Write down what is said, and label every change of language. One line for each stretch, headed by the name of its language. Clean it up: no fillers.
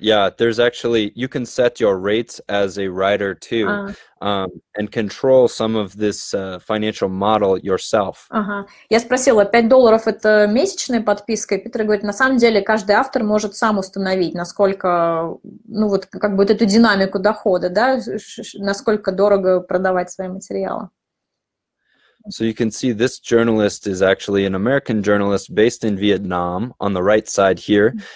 English: Yeah, there's actually, you can set your rates as a writer too, and control some of this financial model yourself.
Russian: Ага, я спросила, $5 это месячная подписка? И Питер говорит, на самом деле каждый автор может сам установить, насколько, ну вот как бы вот эту динамику дохода, да, насколько дорого продавать свои материалы.
English: So you can see this journalist is actually an American journalist based in Vietnam on the right side here.